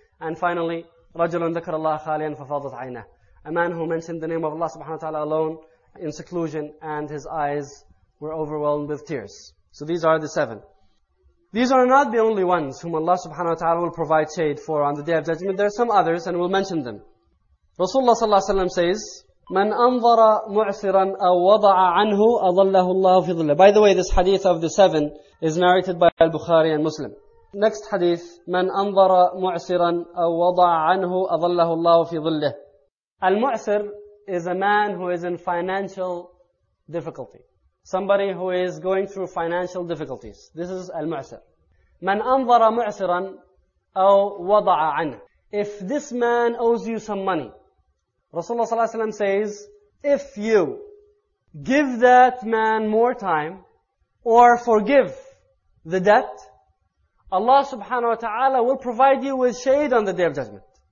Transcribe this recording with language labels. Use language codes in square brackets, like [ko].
[en] And finally, [ar] رَجُلٌ ذَكَرَ اللَّهَ خَالِيًا فَفَاضَتْ عَيْنَهُ, [en] a man who mentioned the name of Allah subhanahu wa ta'ala alone in seclusion and his eyes were overwhelmed with tears. So these are the 7. These are not the only ones whom Allah subhanahu wa ta'ala will provide shade for on the Day of Judgment. There are some others and we'll mention them. Rasulullah sallallahu alayhi wa sallam says, [ar] من أنظر معسرا أو وضع عنه أظله الله في ظله. [en] By the way, this hadith of the seven is narrated by Al-Bukhari and Muslim. Next hadith, [ar] من أنظر معسرا أو وضع عنه أظله الله في ظله. [en] المعسر is a man who is in financial difficulty. Somebody who is going through financial difficulties. This is Al-Mu'sir. [ar] من أنظر معسرا أو وضع عنه. [en] If this man owes you some money, Rasulullah sallallahu alayhi wa sallam says, if you give that man more time or forgive the debt, Allah subhanahu wa ta'ala will provide you with shade on the Day of Judgment.